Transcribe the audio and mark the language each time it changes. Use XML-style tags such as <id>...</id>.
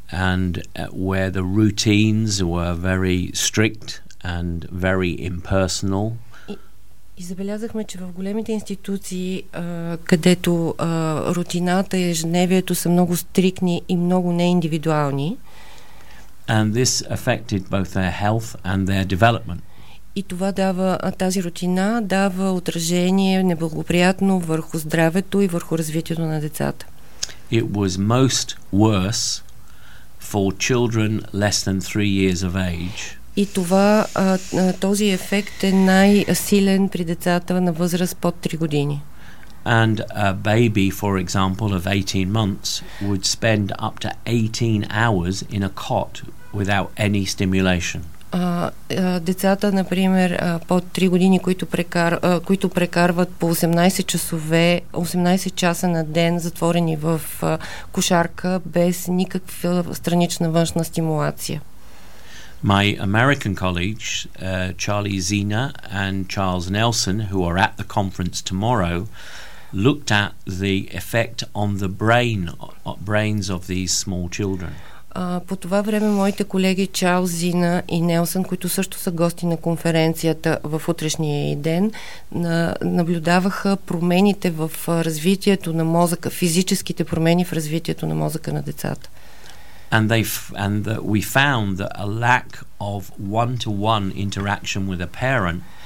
<en>And where the routines were very strict and very impersonal.</en> <bg>И забелязахме, че в големите институции, където рутината и ежедневието са много стриктни и много неиндивидуални.</bg> <en>And this affected both their health and their development.</en> <bg>И това дава, тази рутина дава отражение неблагоприятно върху здравето и върху развитието на децата.</bg> <en>It was most worse for children less than 3 years of age.</en> <bg>И това, този ефект е най-силен при децата на възраст под 3 години.</bg> <en>And a baby, for example, of 18 months would spend up to 18 hours in a cot without any stimulation.</en> <bg>Децата, например, под 3 години, които прекарват по 18 часа на ден затворени в кошарка без никаква странична външна стимулация.</bg> <en>My American colleagues, Charlie Zina and Charles Nelson, who are at the conference tomorrow, looked at the effect on the brains of these small children.</en> <bg>По това време моите колеги Чарлз Зина и Нелсън, които също са гости на конференцията в утрешния ден, наблюдаваха промените в развитието на мозъка, физическите промени в развитието на мозъка на децата.</bg> <en>We found that a lack of one-to-one interaction with a parent.</en>